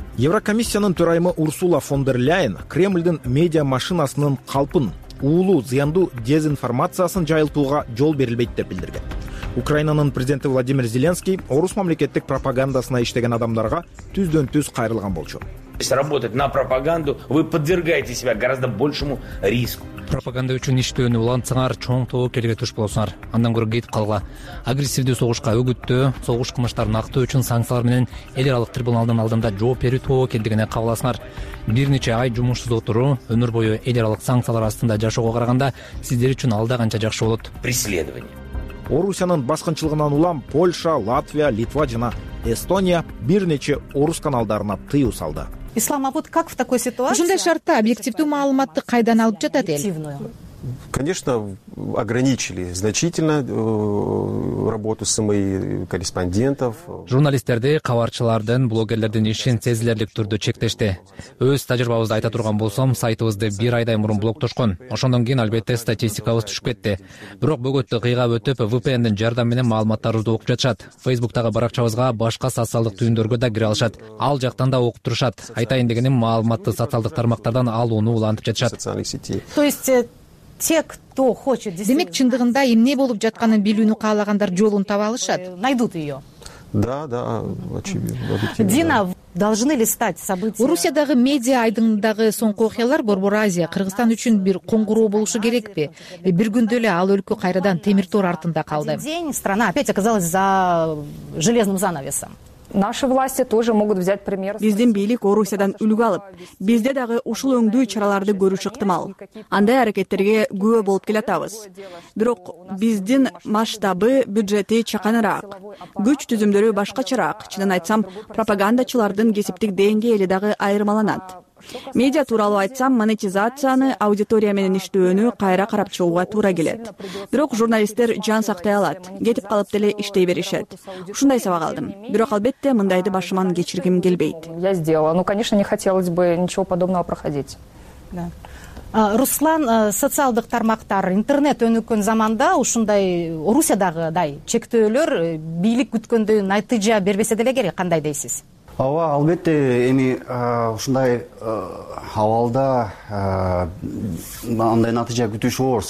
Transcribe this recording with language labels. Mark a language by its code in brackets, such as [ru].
[ky] Еврокомиссиянын төрайымы Урсула фон дер Ляйен Кремльдин медиа машинасынын калпын, уулуу, зыяндуу дезинформациясын жайылтууга жол берилбейт деп билдирген. Украинанын президенти Владимир Зеленский орус мамлекеттик пропагандасына иштеген адамдарга түздөн-түз кайрылган болчу. [ru] Работать на пропаганду, вы подвергаете себя гораздо большему риску. [ky] Пропаганда үчүн иштөөнү улантсаңар чоң тобо келге туш болосуңар. Андан көрө кетип калгыла. Агрессивдүү согушка үгүттөө, согуш кылмыштарын актоо үчүн санкциялар менен эл аралык трибуналдын алдында жооп берүү тобо экендигине кабыласыңар. Бир нече ай жумушсуз отуруу, өмүр бою эл аралык санкциялар астында жашоого караганда сиздер үчүн алда канча жакшы болот. [ru] Преследование. [ky] Орусиянын баскынчылыгынан улам Польша, Латвия, Литва жана Эстония бир нече орус каналдарына тыюу салды. [ru] Исламабад как в такой ситуации? [ky] Ушундай шартта объективдүү маалыматты кайдан алып жатат эл? [ru] Конечно, ограничили значительно работу СМИ корреспондентов. [ky] Журналисттерди, кабарчылардын, блогерлердин ишин сезилерлик түрдө чектешти. Өз тажрыйбабызды айта турган болсом, сайтыбызды бир айдай мурун блоктошкон. Ошондон кийин албетте статистикабыз түшүп кетти. Бирок бөгөттү кыйгап өтүп, VPN'дин жардамы менен маалыматтарды окуп жатышат. Facebook'тагы баракчабызга башка социалдык түйүндөргө да кире алышат. Ал жактан да окуп турушат. Айтайын дегеним, маалыматты социалдык тармактардан алууну улантып жатышат. [ru] То есть те, кто хочет действительно. [ky] Демек, чындыгында эмне болуп жатканын билүүнү каалагандар жолун таба алышат. [ru] Найдут ее. Да, очевидно. Дина, должны ли стать события? [ky] Орусиядагы медиа айдыңындагы соңку окуялар Борбор Азия Кыргызстан үчүн бир коңгуроо болушу керекпи? Бир күндө эле ал өлкө кайрадан темир тор артында калды. [ru] День страна опять оказалась за железным занавесом. Наши власти тоже могут взять пример. [ky] Биздин бийлик Орусиядан үлгү алып, бизде дагы ушул өңдүү чараларды көрүш ыктымал. Андай аракеттерге күбө болуп келатабыз. Бирок биздин масштабы, бюджети чаканыраак, күч түзүмдөрү башкачараак. Чынын айтсам, пропагандачылардын кесиптик деңгээли дагы айырмаланат. Медиа тууралуу айтсам, монетизацияны, аудитория менен иштөөнү кайра карап чыгууга туура келет. Бирок журналисттер жан сактай алат, кетип калып деле иштей беришет. Ушундай сабак алдым. Бирок албетте мындайды башыман кечиргим келбейт. [ru] Я сделала. Ну, конечно, не хотелось бы ничего подобного проходить. Да. [ky] Руслан, социалдык тармактар, интернет өнүккөн заманда ушундай Орусиядагыдай чектөөлөр бийлик күткөндө натыйжа бербесе деле керек, кандай дейсиз? Ооба, албетте эми ушундай абалда андай натыйжа күтүш оор.